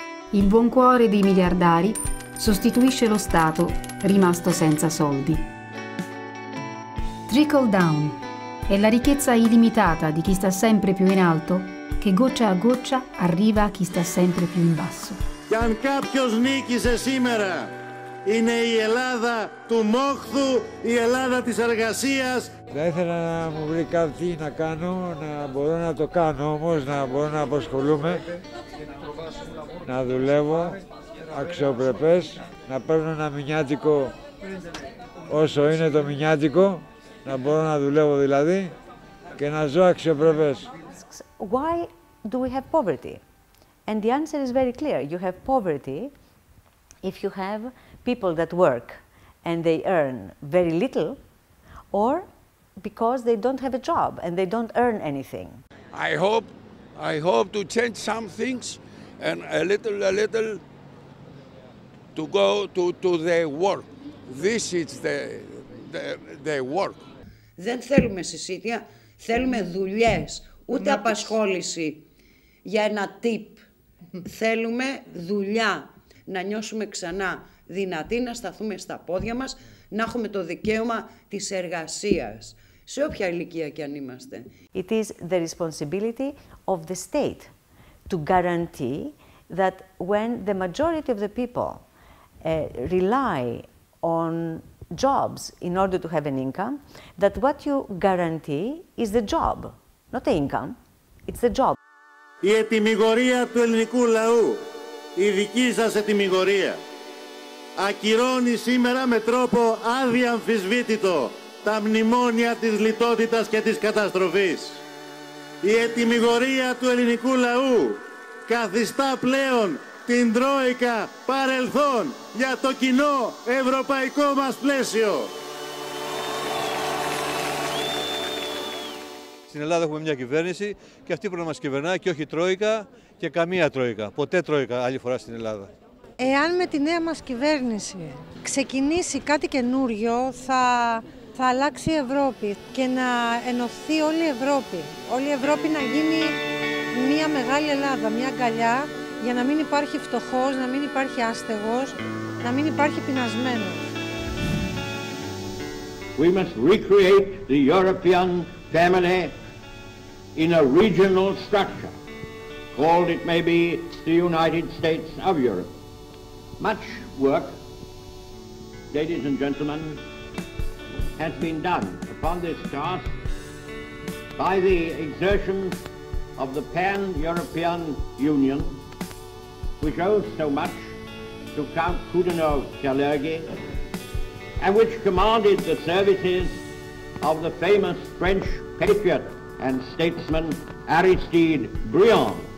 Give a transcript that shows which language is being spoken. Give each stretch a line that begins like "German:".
Italian: Il buon cuore dei miliardari sostituisce lo Stato rimasto senza soldi. Trickle down è la ricchezza illimitata di chi sta sempre più in alto che goccia a goccia arriva a chi sta sempre più in basso. Che
Greek: αν κάποιος νίκησε σήμερα είναι η Ελλάδα του μόχθου, η Ελλάδα της εργασίας. Θα ήθελα να μου βρει κάτι να κάνω, να μπορώ να το κάνω όμως, να μπορώ να απασχολούμαι, να δουλεύω αξιοπρεπές, να παίρνω ένα μηνιάτικο όσο είναι το μηνιάτικο, να μπορώ να δουλεύω δηλαδή και να ζω αξιοπρεπές.
English: Why do we have poverty? And the answer is very clear. You have poverty if you have people that work and they earn very little, or because they don't have a job and they don't earn anything. I hope to change some things and a little to go to the work. This is the work.
Greek: Δεν θέλουμε συσίτια, θέλουμε δουλειές, ούτε απασχόληση για ένα tip. Θέλουμε δουλειά, να νιώσουμε ξανά δυνατοί, να σταθούμε στα πόδια μας, να έχουμε το δικαίωμα της εργασίας, σε όποια ηλικία και αν είμαστε.
English: It is the responsibility of the state to guarantee that when the majority of the people rely on jobs in order to have an income, that what you guarantee is the job, not the income, it's the job.
Greek: Η ετιμιγορία του ελληνικού λαού, η δική σας ετιμιγορία, ακυρώνει σήμερα με τρόπο αδιαμφισβήτητο τα μνημόνια της λιτότητας και της καταστροφής. Η ετιμιγορία του ελληνικού λαού καθιστά πλέον την τρόικα παρελθόν για το κοινό ευρωπαϊκό μας πλαίσιο. Στην Ελλάδα έχουμε μια κυβέρνηση και αυτή πρέπει να μας κυβερνά και όχι τρόικα και καμία τρόικα. Ποτέ τρόικα άλλη φορά στην Ελλάδα. Εάν με τη νέα μας κυβέρνηση ξεκινήσει κάτι καινούριο, θα αλλάξει η Ευρώπη και να ενωθεί όλη η Ευρώπη. Όλη η Ευρώπη να γίνει μια μεγάλη Ελλάδα, μια αγκαλιά, για να μην υπάρχει φτωχός, να μην υπάρχει άστεγος, να μην υπάρχει πεινασμένος.
English: We must recreate the European family in a regional structure, called it maybe the United States of Europe. Much work, ladies and gentlemen, has been done upon this task by the exertions of the Pan-European Union, which owes so much to Count Kudenov-Kalergi, and which commanded the services of the famous French patriot and statesman Aristide Briand.